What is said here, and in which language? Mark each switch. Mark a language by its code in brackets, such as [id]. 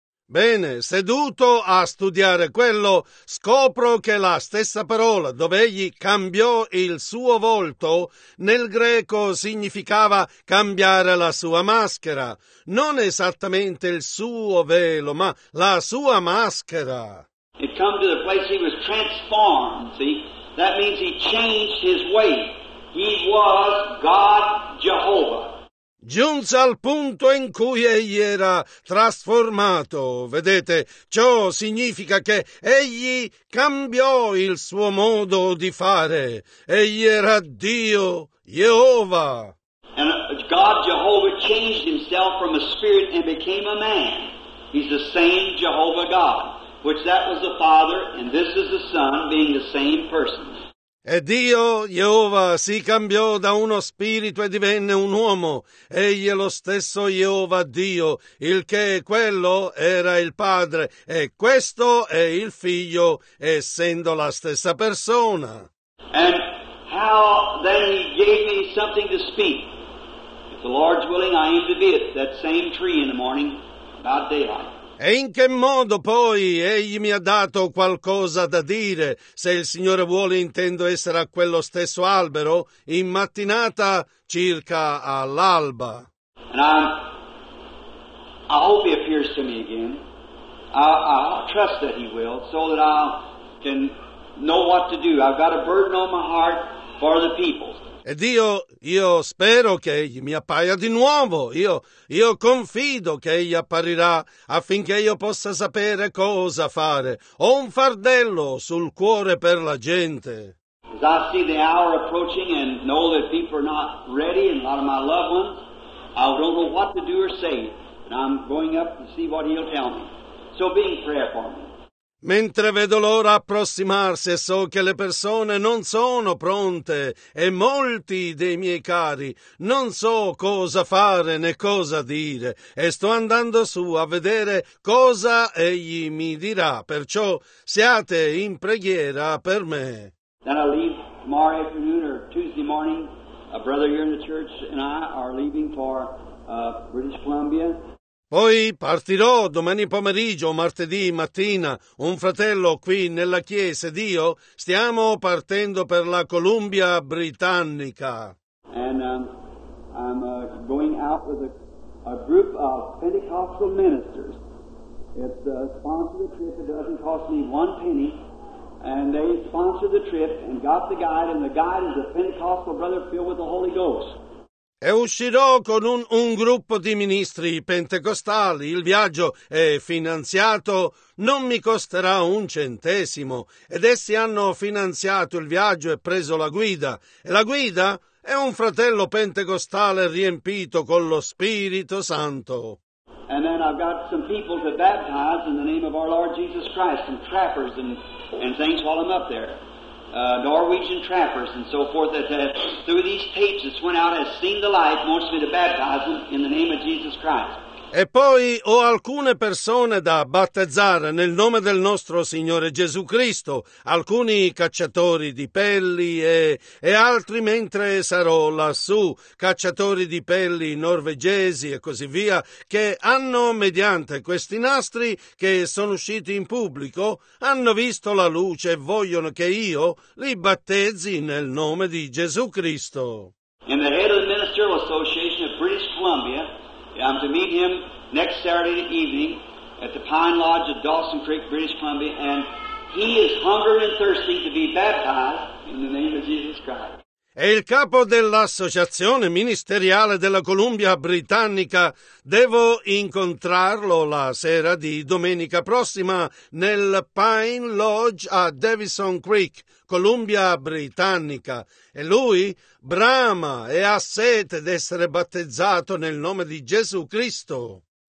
[it] Bene, seduto a studiare quello, scopro che la stessa parola dove egli cambiò il suo volto, nel greco significava cambiare la sua maschera. Non esattamente il suo velo, ma la sua maschera. [en] It come to the place he was transformed, see? That means he changed his way. He was God Jehovah. [it] Giunse al punto in cui egli era trasformato. Vedete, ciò significa che egli cambiò il suo modo di fare. Egli era Dio, Jehova. [en] And God Jehovah changed himself from a spirit and became a man. He's the same Jehovah God, which that was the Father, and this is the Son, being the same person. [it] E Dio, Jehovah, si cambiò da uno spirito e divenne un uomo. Egli è lo stesso Jehovah Dio, il che quello era il Padre, e questo è il Figlio, essendo la stessa persona. [en] And how then he gave me something to speak. If the Lord's willing, I am to be at that same tree in the morning, about daylight. [it] E in che modo poi egli mi ha dato qualcosa da dire? Se il Signore vuole, intendo essere a quello stesso albero in mattinata circa all'alba. [en] And I hope he appears to me again. I trust that he will, so that I can know what to do. I've got a burden on my heart for the people. [it] Ed io spero che egli mi appaia di nuovo. Io confido che egli apparirà affinché io possa sapere cosa fare. Ho un fardello sul cuore per la gente. [en] As I see the hour approaching and know that people are not ready and a lot of my loved ones, I don't know what to do or say. And I'm going up to see what he'll tell me. So be in prayer for me. [it] Mentre vedo l'ora approssimarsi e so che le persone non sono pronte e molti dei miei cari non so cosa fare né cosa dire e sto andando su a vedere cosa egli mi dirà, perciò siate in preghiera per me. [en] Then I leave tomorrow afternoon or Tuesday morning. A brother here in the church and I are leaving for British Columbia. [it] Poi partirò domani pomeriggio o martedì mattina. Un fratello qui nella chiesa ed io stiamo partendo per la Columbia Britannica. [en] And I'm going out with a group of Pentecostal ministers. It's sponsored the trip. It doesn't cost me one penny. And they sponsored the trip and got the guide. And the guide is a Pentecostal brother filled with the Holy Ghost. [it] E uscirò con un gruppo di ministri pentecostali. Il viaggio è finanziato, non mi costerà un centesimo. Ed essi hanno finanziato il viaggio e preso la guida. E la guida è un fratello pentecostale riempito con lo Spirito Santo. [en] And then I've got some people to baptize in the name of our Lord Jesus Christ, some trappers and things while I'm up there. Norwegian trappers and so forth that through these tapes that went out has seen the light, mostly to baptize them in the name of Jesus Christ. [it] E poi ho alcune persone da battezzare nel nome del nostro Signore Gesù Cristo, alcuni cacciatori di pelli e altri mentre sarò lassù, cacciatori di pelli norvegesi e così via, che hanno, mediante questi nastri che sono usciti in pubblico, hanno visto la luce e vogliono che io li battezzi nel nome di Gesù Cristo. [en] In the head of the Ministerial Association of British Columbia, I'm to meet him next Saturday evening at the Pine Lodge of Dawson Creek, British Columbia, and he is hungering and thirsting to be baptized in the name of Jesus Christ. [it] E il capo dell'associazione ministeriale della Columbia Britannica, devo incontrarlo la sera di domenica prossima nel Pine Lodge a Davison Creek, Columbia Britannica. E lui brama e ha sete d'essere battezzato nel nome di Gesù Cristo.